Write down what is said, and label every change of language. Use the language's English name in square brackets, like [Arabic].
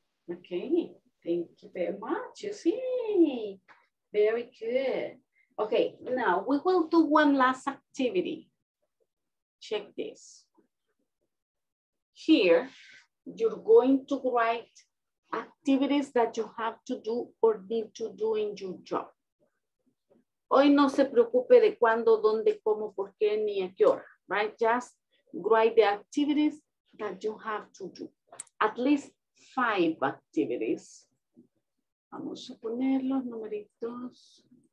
[English] Okay, thank you very much. You see, very good. Okay, now we will do one last activity. Check this. Here, you're going to write activities that you have to do or need to do in your job. [Spanish] Hoy no se preocupe de cuándo, dónde, cómo, por qué, ni a qué hora, right? [English] Just write the activities that you have to do. At least 5 activities. [Spanish] Vamos a poner los numeritos.